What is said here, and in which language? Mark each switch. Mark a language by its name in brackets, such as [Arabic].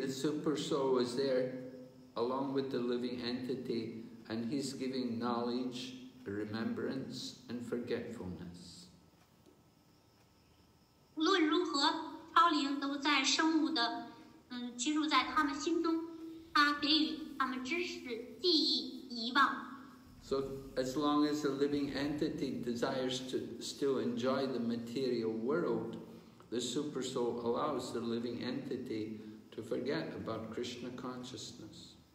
[English] the super soul is there along with the living entity, and he's giving knowledge, remembrance, and forgetfulness. [Chinese] 无论如何，超灵都在生物的居住在他们心中，他给予他们知识、记忆、遗忘。So [English] as long as the living entity desires to still enjoy the material world, the super soul allows the living entity to forget about Krishna consciousness.